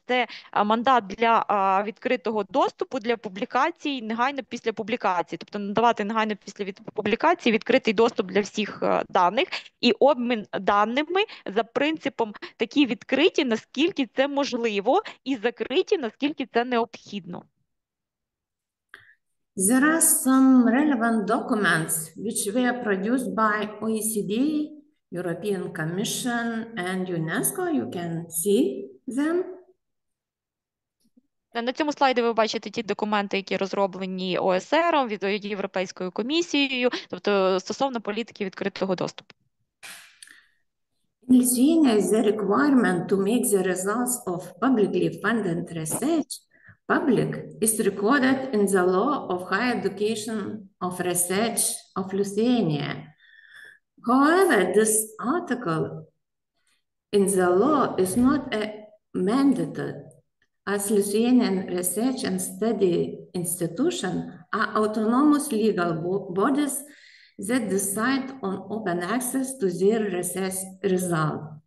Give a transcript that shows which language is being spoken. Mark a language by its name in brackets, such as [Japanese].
[Ukrainian] Це мандат для відкритого доступу для публікацій негайно після публікації. Тобто надавати негайно після публікації відкритий доступ для всіх даних і обмін даними за принципом такі відкриті, наскільки це можливо, і закриті, наскільки це необхідно. [English] There are some relevant documents which were produced by OECD, European Commission, and UNESCO. You can see them. [Ukrainian] На цьому слайді ви бачите ті документи, які розроблені ОЕСР, Європейською комісією, тобто стосовно політики відкритого доступу. [English] In Lithuania, the requirement to make the results of publicly funded research public is recorded in the law of higher education of research of Lithuania. However, this article in the law is not a mandated, as Lithuanian research and study institutions are autonomous legal bodies that decide on open access to their research result.